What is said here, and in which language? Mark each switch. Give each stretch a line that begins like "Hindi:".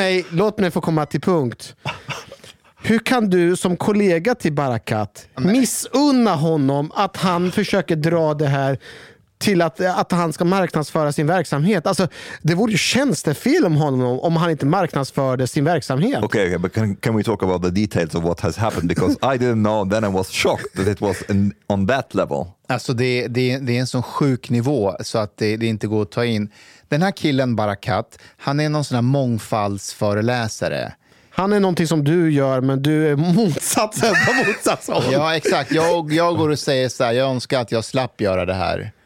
Swedish: låt mig få komma till punkt. Hur kan du som kollega till Barakat missunna honom att han försöker dra det här till att han ska marknadsföra sin verksamhet? Alltså, det vore ju tjänstefel om honom om han inte marknadsförde sin verksamhet.
English: Okay, but can we talk about the details of what has happened? Because I didn't know, then I was shocked that it was on that level.
Swedish: Alltså, det är en sån sjuk nivå så att det inte går att ta in. Den här killen, Barakat, han är någon sån här mångfaldsföreläsare. Han är någonting som du gör, men du är motsatsen. Ja, exakt. Jag går och säger så här, jag önskar att jag slapp göra det här.